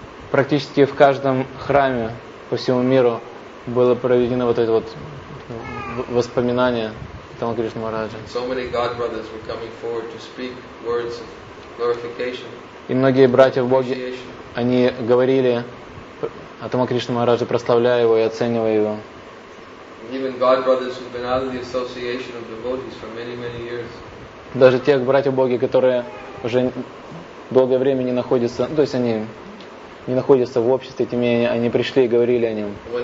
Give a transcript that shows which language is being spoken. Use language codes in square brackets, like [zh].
[ru] Практически в каждом храме по всему миру было проведено вот это вот воспоминание Тамал Кришна Махараджа. [en] So many god brothers were coming forward to speak words of glorification. [ru] И многие братья в Боге, они говорили о Тамал Кришна Махараджа, прославляя его и оценивая его. [en] Even god brothers who've been out of the association of devotees for many, many years. [ru] Даже те братья-боги, которые уже долгое время не находятся, то есть они не находятся в обществе, тем не менее, они пришли и говорили о нем.